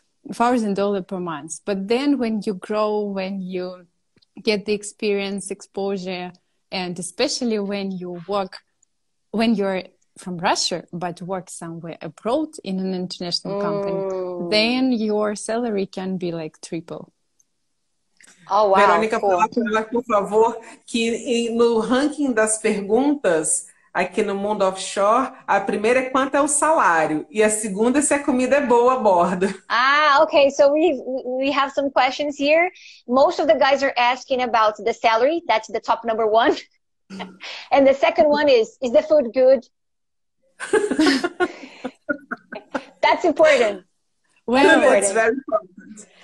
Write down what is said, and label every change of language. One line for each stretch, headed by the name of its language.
English: $1,000 per month. But then when you grow, when you get the experience, exposure, and especially when you work, when you're from Russia, but work somewhere abroad in an international company, then your salary can be like triple. Oh, wow. Verônica, cool.
Portuguese: Por favor, que no ranking das perguntas aqui no mundo offshore, a primeira é quanto é o salário e a segunda é se a comida é boa a bordo.
English: Ah, okay. So we have some questions here. Most of the guys are asking about the salary. That's the top number one. And the second one is the food good? That's important. Well, that's very important.